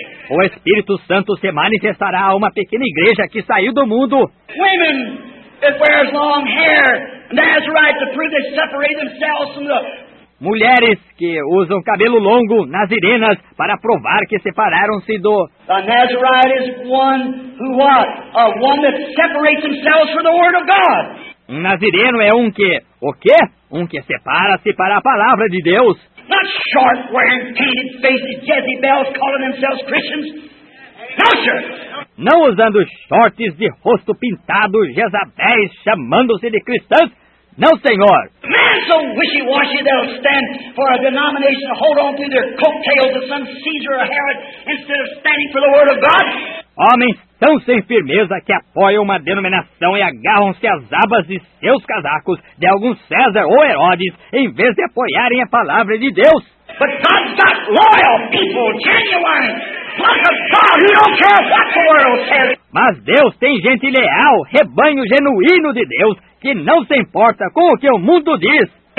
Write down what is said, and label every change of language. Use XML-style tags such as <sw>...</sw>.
<pt>O Espírito Santo se manifestará a uma pequena igreja que saiu do mundo.</pt> <en>Women that wears long hair, Nazarite, to prove they separate themselves from the...</en> <pt>Mulheres que usam cabelo longo, nazirenas, para provar que separaram-se do...</pt> <en>A Nazarite is one who what? A one that separates themselves from the Word of God.</en> <pt>Um nazireno é um que... O quê? Um que separa-se para a palavra de Deus.</pt> <en>Not short, wearing painted faces, Jezebels calling themselves Christians. No, sir.</en> <pt>Não usando shorts de rosto pintado, Jezabéis chamando-se de cristãs. Não, senhor.</pt> <en>Man, so wishy-washy they'll stand for a denomination to hold on to their coattails of some Caesar or Herod instead of standing for the Word of God.</en> <pt>Homens tão sem firmeza que apoiam uma denominação e agarram-se às abas de seus casacos de algum César ou Herodes em vez de apoiarem a palavra de Deus.</pt> <en>But God's got loyal people, genuine. Lots of God who don't care what the world says.</en> <pt>Mas Deus tem gente leal, rebanho genuíno de Deus, que não se importa com o que o mundo diz.</pt>